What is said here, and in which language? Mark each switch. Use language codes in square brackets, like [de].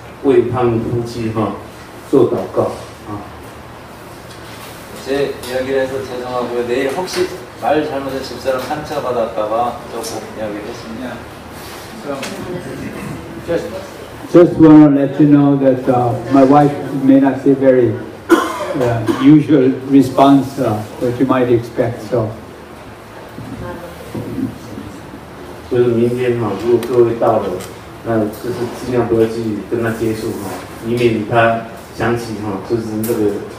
[zh] 就是他在有生之年愿意就是来从事这个自然农业，那也请大家为他们夫妻做祷告。 [ko] 제 이야기를 해서 죄송하고요. 내일 혹시 말 잘못해 집사람 상처받았다가 조금 이야기를 했습니다. [en] Just want to let you know that my wife may not say very usual response that you might expect. So. [zh] 就是明天哈，如果各位到了，那就是尽量多去跟他接触哈，以免他想起哈，就是那个。